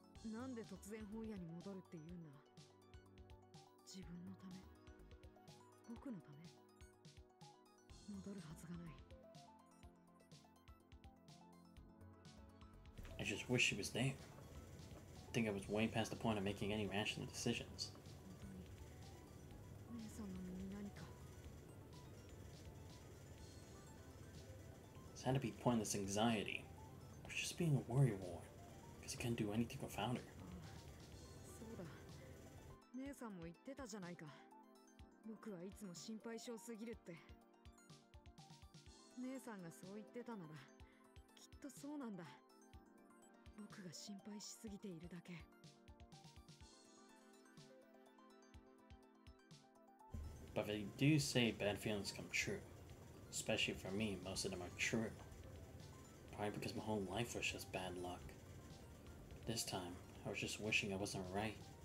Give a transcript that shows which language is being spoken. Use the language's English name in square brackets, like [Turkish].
[Japanese] なんで突然本屋に戻るって言うんだ。自分のため、僕のため、戻るはずがない。 [English] I just wish she was there. I think I was way past the point of making any rational decisions. [Japanese] 姉さんの身に何か。 [English] This had to be pointless anxiety. It was just being a worry war. Because I couldn't do anything without her. [Japanese] 姉さんも言ってたじゃないか。僕はいつも心配性すぎるって。姉さんがそう言ってたなら、きっとそうなんだ。僕が心配しすぎているだけ。 [English] But they do say bad feelings come true. Especially for me, most of them are true. Probably because my whole life was just bad luck. This time, I was just wishing I wasn't right.